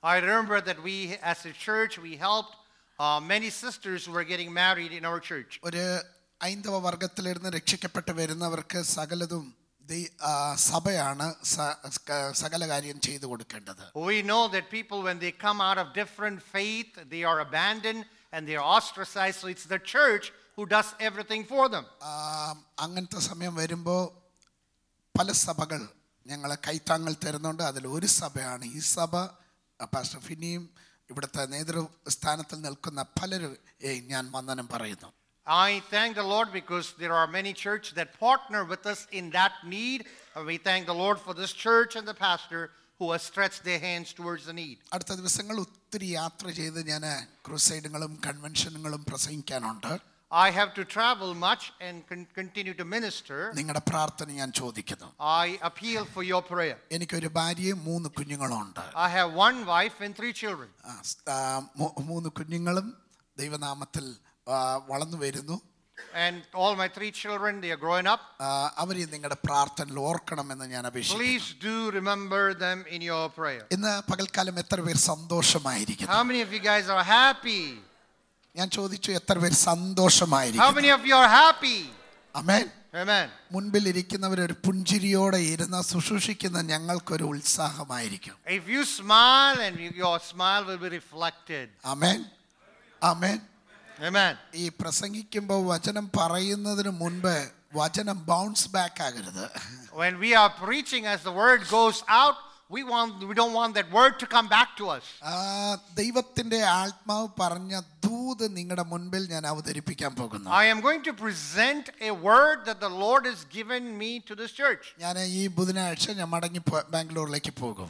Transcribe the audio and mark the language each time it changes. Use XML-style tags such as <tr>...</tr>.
<en>I remember that we as a church we helped many sisters who were getting married in our church.</en> <ml>ഒരു ഐന്ദവ വർഗ്ഗത്തിലിരുന്ന് രക്ഷിക്കപ്പെട്ട് വരുന്നവർക്ക് സകലതും സഭയാണ് സകല കാര്യം ചെയ്തു കൊടുക്കേണ്ടത്.</ml> <en>We know that people when they come out of different faith they are abandoned and they are ostracized, so it's the church who does everything for them.</en> <ml>അങ്ങനത്തെ സമയം വരുമ്പോൾ പല സഭകൾ ഞങ്ങളെ കൈത്താങ്ങൾ തരുന്നുണ്ട്. അതിൽ ഒരു സഭയാണ് ഈ സഭ. പാസ്റ്റർ ഫിന്നിയും ഇവിടുത്തെ നേതൃസ്ഥാനത്തിൽ നിൽക്കുന്ന പലരും ഞാൻ വന്ദനം പറയുന്നു.</ml> <en>I thank the Lord because there are many churches that partner with us in that need. We thank the Lord for this church and the pastor who has stretched their hands towards the need.</en> <ml>അടുത്ത ദിവസങ്ങൾ ഒത്തിരി യാത്ര ചെയ്ത് ഞാൻ ക്രൂസൈഡുകളും കൺവെൻഷനുകളും പ്രസംഗിക്കാനുണ്ട്.</ml> <en>I have to travel much and continue to minister.</en> <ml>നിങ്ങളുടെ പ്രാർത്ഥന ഞാൻ ചോദിക്കുന്നു.</ml> <en>I appeal for your prayer.</en> <ml>എനിക്ക് ഒരു ഭാര്യയും മൂന്ന് കുഞ്ഞുങ്ങളുമുണ്ട്.</ml> <en>I have one wife and three children.</en> <ml>മൂന്ന് കുഞ്ഞുങ്ങളും ദൈവനാമത്തിൽ വളർന്നു വരുന്നു.</ml> <en>And all my three children they are growing up.</en> <ml>അവരെ നിങ്ങളുടെ പ്രാർത്ഥനയിൽ ഓർക്കണമെന്ന് ഞാൻ അപേക്ഷിക്കുന്നു.</ml> <en>Please do remember them in your prayer.</en> <ml>ഇന്ന് പകൽക്കാലം എത്ര പേർ സന്തോഷമായിരിക്കുന്നു?</ml> <en>How many of you guys are happy?</en> <ml>ഞാൻ ചോദിച്ചു എത്ര പേർ സന്തോഷമായിരിക്കുന്നു?</ml> <en>How many of you are happy? Amen. Amen.</en> <ml>മുൻപിൽ ഇരിക്കുന്നവർ ഒരു പുഞ്ചിരിയോടെ ഇരുന്ന ശുശ്രൂഷിക്കുന്ന ഞങ്ങൾക്കൊരു ഉത്സാഹമായിരിക്കും.</ml> <en>If you smile and your smile will be reflected. Amen. Amen. Amen.</en> <ml>ഈ പ്രസംഗിക്കുമ്പോൾ വചനം പറയുന്നതിന് മുൻപ് വചനം ബൗൺസ് ബാക്ക് ആകരുത്.</ml> <en>When we are preaching as the word goes out, we don't want that word to come back to us.</en> <ml>ദൈവത്തിന്റെ ആത്മാവ് പറഞ്ഞ ദൂത് നിങ്ങളുടെ മുൻപിൽ ഞാൻ അവതരിപ്പിക്കാൻ പോകുന്നു.</ml> <en>I am going to present a word that the Lord has given me to this church.</en> <ml>ഞാൻ ഈ ബുധനാഴ്ച ഞാൻ മടങ്ങി ബാംഗ്ലൂരിലേക്ക് പോകും.</ml>